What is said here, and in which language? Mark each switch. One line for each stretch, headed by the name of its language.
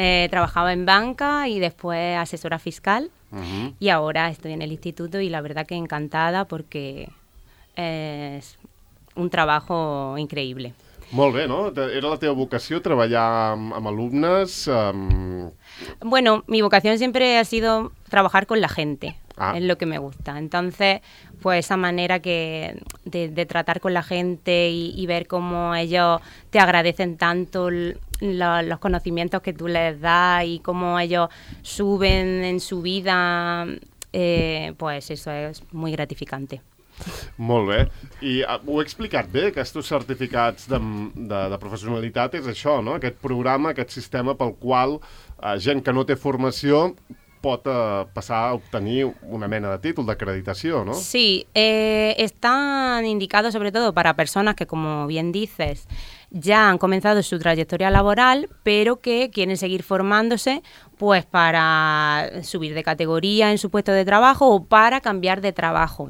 Spanish: trabajaba en banca y después asesora fiscal. Uh-huh. Y ahora estoy en el instituto y la verdad que encantada porque es un trabajo increíble.
Catalan: Molt bé, no? Era la teva vocació treballar amb alumnes?
Spanish: Bueno, mi vocación siempre ha sido trabajar con la gente, es lo que me gusta. Entonces, pues esa manera que de tratar con la gente y ver cómo ellos te agradecen tanto los conocimientos que tú les das y cómo ellos suben en su vida, pues eso es muy gratificante.
Catalan: Molt bé. I ho he explicat bé, aquests certificats de professionalitat és això, no? Aquest programa, aquest sistema pel qual gent que no té formació pot passar a obtenir una mena de títol d'acreditació, no?
Spanish: Sí, están indicados sobre todo para personas que, como bien dices, ya han comenzado su trayectoria laboral, pero que quieren seguir formándose pues para subir de categoría en su puesto de trabajo o para cambiar de trabajo.